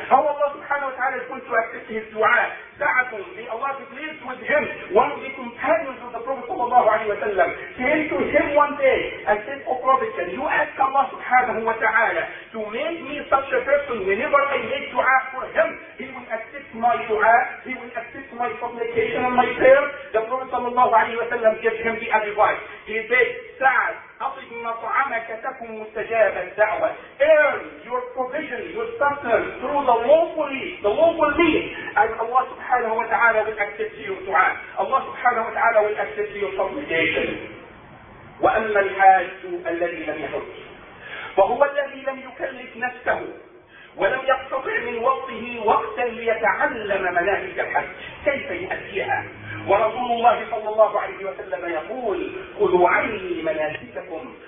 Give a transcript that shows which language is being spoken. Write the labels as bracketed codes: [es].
[en] How Allah subhanahu wa ta'ala is going to accept his dua? Sa'ad, may Allah be pleased with him, one of the companions of the Prophet sallallahu alayhi wa sallam, came to him one day and said, O Prophet, can you ask Allah subhanahu wa ta'ala to make me such a person whenever I make dua for him, he will accept my dua, he will accept my supplication and my prayer? The Prophet sallallahu alayhi wa sallam gave him the advice. He said, [ar] Sa'ad, أطب مطعمك تكن مستجاب الدعوة. [en] Earn your provision, your sustenance through the lawful means, and Allah subhanahu wa ta'ala will accept your dua. Allah subhanahu wa ta'ala will accept your supplication. [ar] وأما الحاج الذي لم يحج فهو الذي لم يكلف نفسه ولم يقتطع من وقته وقتا ليتعلم مناهج الحج كيف يؤديها. ورسول الله صلى الله عليه وسلم يقول خذوا عني مناسككم.